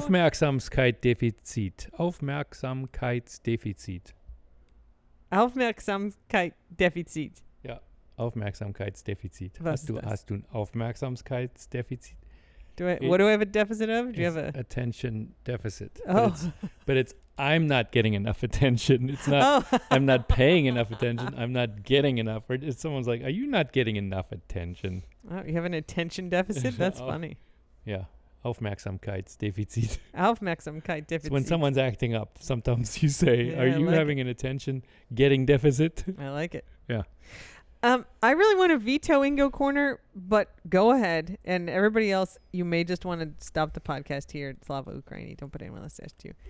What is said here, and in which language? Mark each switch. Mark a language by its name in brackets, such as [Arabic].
[German] Aufmerksamkeitsdefizit. Aufmerksamkeitsdefizit. Aufmerksamkeitsdefizit. [English] Yeah. [German] Aufmerksamkeitsdefizit. Hast du ein Aufmerksamkeitsdefizit? [English] What do I have a deficit of? Do you have a... Attention deficit. But it's I'm not getting enough attention. It's not... Oh. I'm not paying enough attention. I'm not getting enough. Or it's, someone's like, are you not getting enough attention? Oh, you have an attention deficit? That's funny. Yeah. [German] Aufmerksamkeitsdefizit. Aufmerksamkeitsdefizit. [English] When someone's acting up, sometimes you say, yeah, are you like having it. An attention getting deficit? I like it. Yeah. I really want to veto Ingo Corner, but go ahead. And everybody else, you may just want to stop the podcast here. Slava Ukraini. Don't put anyone else to you.